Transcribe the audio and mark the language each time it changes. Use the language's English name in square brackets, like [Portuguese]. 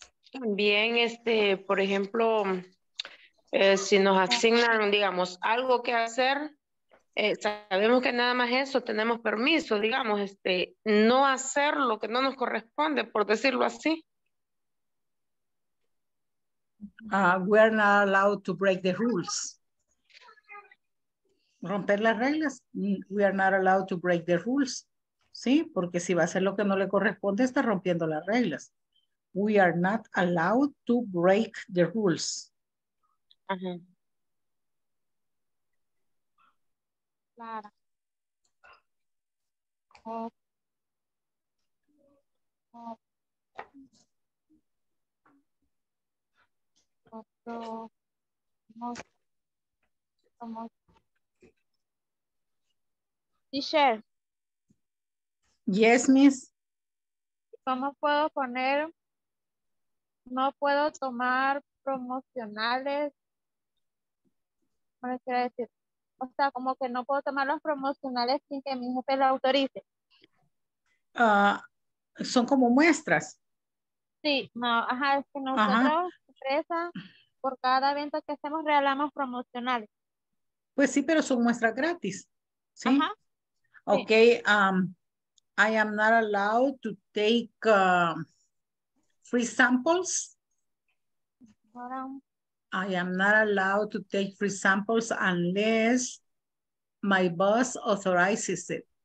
[Spanish] También, por ejemplo, si nos asignan, digamos, algo que hacer, sabemos que nada más eso, tenemos permiso, digamos, no hacer lo que no nos corresponde, por decirlo así. [English] We're not allowed to break the rules. [Spanish] Romper las reglas, [English] we are not allowed to break the rules, ¿sí? [Spanish] Porque si va a hacer lo que no le corresponde, está rompiendo las reglas. [English] We are not allowed to break the rules. [Spanish] Ajá. Claro. [English] Teacher. Yes, miss. [Spanish] ¿Cómo puedo poner? No puedo tomar promocionales. ¿Cómo quiero decir? O sea, como que no puedo tomar los promocionales sin que mi jefe lo autorice. Son como muestras. Sí, no, ajá, es que nosotros, empresa, por cada evento que hacemos, regalamos promocionales. Pues sí, pero son muestras gratis. ¿Sí? Ajá. [English] Okay, I am not allowed to take free samples. I am not allowed to take free samples unless my boss authorizes it.